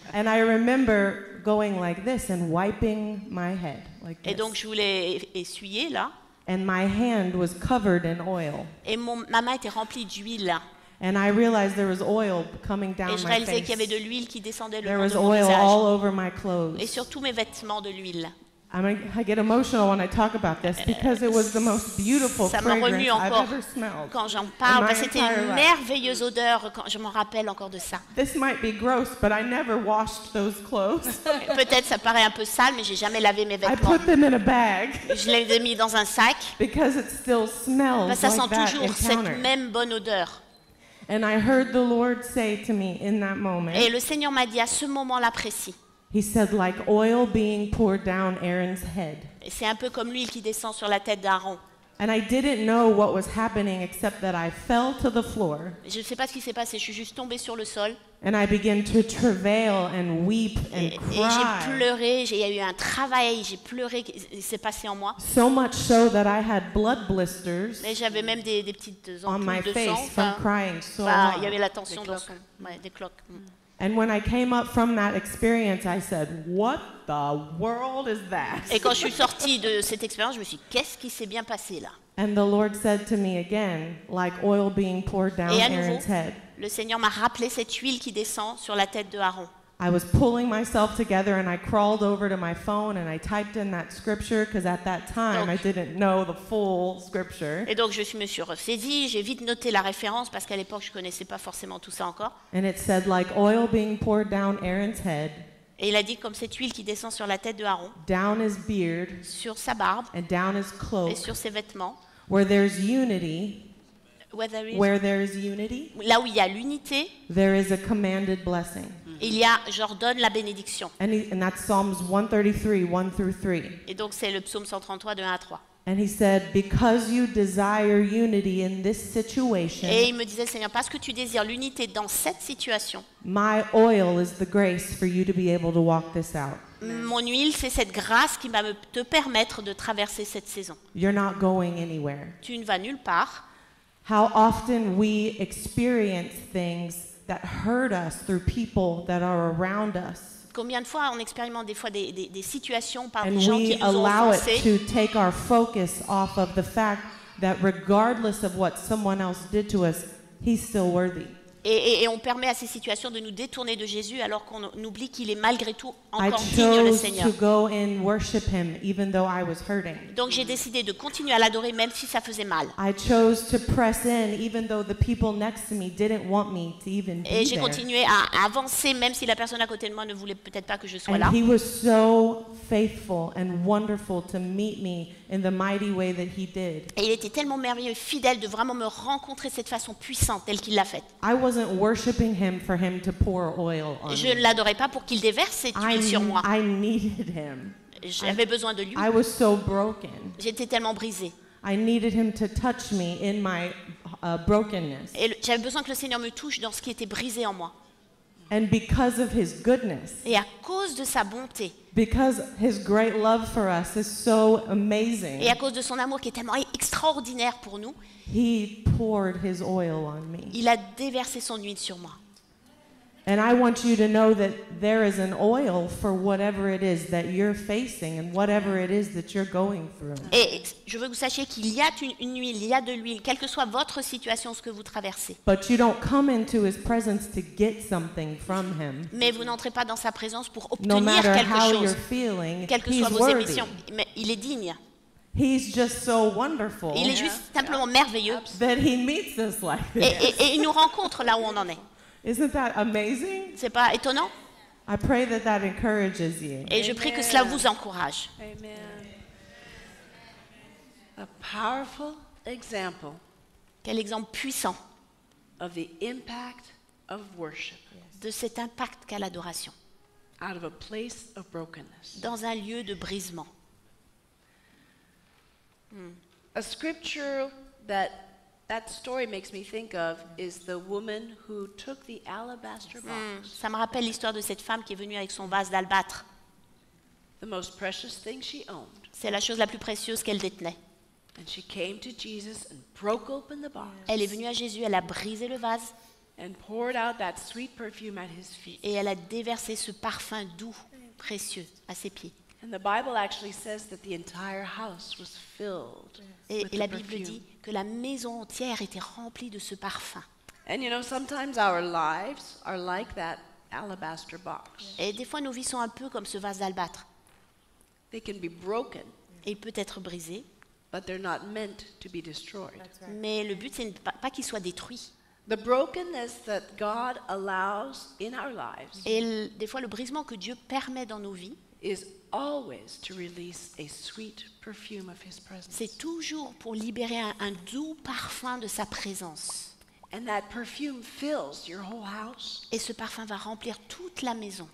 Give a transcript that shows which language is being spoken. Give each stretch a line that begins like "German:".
English: And I remember going like this and wiping my head like this.
French: Et donc, je voulais essuyer, là.
English: And my hand was covered in oil.
French: Et ma main était remplie d'huile, là.
English: And I realized there was oil coming down my face.
French: Et je réalisais qu'il y avait de l'huile qui descendait le long de mon visage.
English: There was oil all over my clothes.
French: Et sur tous mes vêtements de l'huile, là.
English: I get emotional when I talk about this because it was the most beautiful fragrance I've ever smelled.
French: Quand j'en parle, parce que c'était une merveilleuse odeur quand je m'en rappelle encore de ça.
English: This might be gross, but I never washed those clothes.
French: Peut-être ça paraît un peu sale, mais j'ai jamais lavé mes vêtements.
English: I put them in a bag.
French: Je les ai mis dans un sac.
English: Because it still smells like that encounter.
French: Parce que ça sent toujours cette même bonne odeur.
English: And I heard the Lord say to me in that moment.
French: Et le Seigneur m'a dit à ce moment-là précis.
English: He said, like oil being poured down Aaron's head.
French: C'est un peu comme l'huile qui descend sur la tête d'Aaron.
English: And I didn't know what was happening except that I fell to the floor.
French: Je ne sais pas ce qui s'est passé, je suis juste tombée sur le sol.
English: And I began to travail and weep and cry.
French: Et j'ai pleuré, il y a eu un travail, j'ai pleuré, il s'est passé en moi.
English: So much so that I had blood blisters.
French: Mais j'avais même des petites ampoules de sang.
English: On my face from crying so much.
French: Il y avait la tension des cloques.
English: And when I came up from that experience, I said, "What the world is that?"
French: Et quand je suis sortie de cette expérience, je me suis dit, qu'est-ce qui s'est bien passé là?
English: And the Lord said to me again, like oil being poured down Aaron's head.
French: Et à nouveau, le Seigneur m'a rappelé cette huile qui descend sur la tête de Aaron.
English: I was pulling myself together and I crawled over to my phone and I typed in that scripture because at that time I didn't know the full scripture.
French: Et donc je me suis ressaisie, j'ai vite noté la référence parce qu'à l'époque je connaissais pas forcément tout ça encore.
English: And it said like oil being poured down Aaron's head.
French: Et il a dit comme cette huile qui descend sur la tête de Aaron.
English: Down his beard.
French: Sur sa barbe.
English: And down his cloak.
French: Et sur ses vêtements.
English: Where there's unity. Where there is unity.
French: Là où il y a l'unité.
English: There is a commanded blessing.
French: Il y a j'ordonne la bénédiction.
English: And that's Psalms 133, 1 through 3.
French: Et donc c'est le psaume 133 de 1 à 3.
English: And he said, because you desire unity in this situation.
French: Et il me disait, Seigneur, parce que tu désires l'unité dans cette situation.
English: My oil is the grace for you to be able to walk this out.
French: Mon huile, c'est cette grâce qui va te permettre de traverser cette saison.
English: You're not going anywhere.
French: Tu ne vas nulle part.
English: How often we experience things that hurt us through people that are around us.
French: Combien de fois on expérimente des fois des situations par des gens qui offensés.
English: And we allow it to take our focus off of the fact that regardless of what someone else did to us, he's still worthy.
French: Et on permet à ces situations de nous détourner de Jésus alors qu'on oublie qu'il est malgré tout encore digne, le Seigneur.
English: I chose to go and worship him even though I was hurting.
French: Donc j'ai décidé de continuer à l'adorer même si ça faisait mal.
English: I chose to press in even though the people next to me didn't want me to even be there.
French: Et j'ai continué à avancer même si la personne à côté de moi ne voulait peut-être pas que je sois
English: and
French: là.
English: And he was so faithful and wonderful to meet me in the mighty way that he did.
French: Et il était tellement merveilleux, fidèle de vraiment me rencontrer cette façon puissante telle qu'il l'a faite.
English: I wasn't worshiping him for him to pour oil on
French: je ne l'adorais pas pour qu'il déverse cette huile sur moi.
English: I needed him.
French: J'avais besoin de lui.
English: I was so broken.
French: J'étais tellement brisée.
English: I needed him to touch me in my brokenness.
French: Et j'avais besoin que le Seigneur me touche dans ce qui était brisé en moi.
English: And because of his goodness.
French: Et à cause de sa bonté.
English: Because his great love for us is so amazing.
French: Et à cause de son amour qui est tellement extraordinaire pour nous.
English: He poured his oil on me.
French: Il a déversé son huile sur moi.
English: And I want you to know that there is an oil for whatever it is that you're facing and whatever it is that you're going through.
French: Et je veux que vous sachiez qu'il y a une huile, il y a de l'huile, quelle que soit votre situation, ce que vous traversez.
English: But you don't come into his presence to get something from him.
French: Mais vous n'entrez pas dans sa présence pour obtenir quelque chose.
English: No matter how you're feeling,
French: quelles que soient vos émotions, mais il est digne.
English: He's just so wonderful.
French: Il est juste simplement merveilleux.
English: That he meets us like this.
French: Et il nous rencontre là où on en est.
English: Isn't that amazing?
French: C'est pas étonnant?
English: I pray that that encourages you.
French: Et je prie que cela vous encourage.
English: Amen. A powerful example.
French: Quel exemple puissant.
English: Of the impact of worship.
French: De cet impact qu'a l'adoration.
English: Out of a place of brokenness.
French: Dans un lieu de brisement.
English: A scripture that story makes me think of is the woman who took the alabaster box.
French: Ça me rappelle l'histoire de cette femme qui est venue avec son vase d'albâtre.
English: The most precious thing she owned.
French: C'est la chose la plus précieuse qu'elle détenait.
English: And she came to Jesus and broke open the box.
French: Elle est venue à Jésus, elle a brisé le vase.
English: And poured out that sweet perfume at his feet.
French: Et elle a déversé ce parfum doux, précieux à ses pieds.
English: And the Bible actually says that the entire house was filled with the perfume.
French: Et la Bible dit que la maison entière était remplie de ce parfum.
English: And you know, sometimes our lives are like that alabaster box.
French: Et des fois nos vies sont un peu comme ce vase d'albâtre.
English: They can be broken.
French: Et il peut être brisé.
English: But they're not meant to be destroyed.
French: Mais le but c'est pas qu'il soit détruit.
English: The brokenness that God allows in our lives.
French: Et des fois le brisement que Dieu permet dans nos vies
English: is always to release a sweet perfume of his presence.
French: C'est toujours pour libérer un doux parfum de sa présence.
English: And that perfume fills your whole house.
French: Et ce parfum va remplir toute la maison.